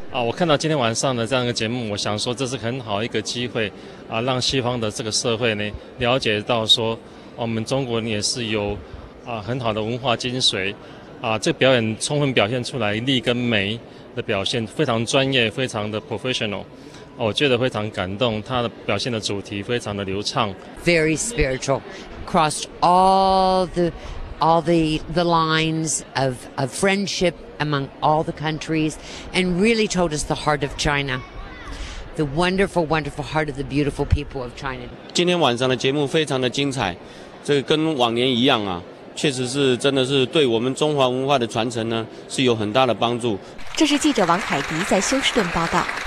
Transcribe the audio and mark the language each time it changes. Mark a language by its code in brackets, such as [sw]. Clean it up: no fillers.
[zh] 我看到今天晚上的这样一个节目，我想说这是很好一个机会啊，让西方的这个社会呢了解到说，我们中国人也是有很好的文化精髓。这表演充分表现出来力跟美的表现，非常专业，非常的 professional。我觉得非常感动，他的表现的主题非常的流畅。 [en] Very spiritual, crossed all the lines of friendship among all the countries, and really told us the heart of China, the wonderful, wonderful heart of the beautiful people of China. [zh] 今天晚上的节目非常的精彩，这个跟往年一样啊。确实是真的是对我们中华文化的传承呢是有很大的帮助。这是记者王凯迪在休斯顿报道。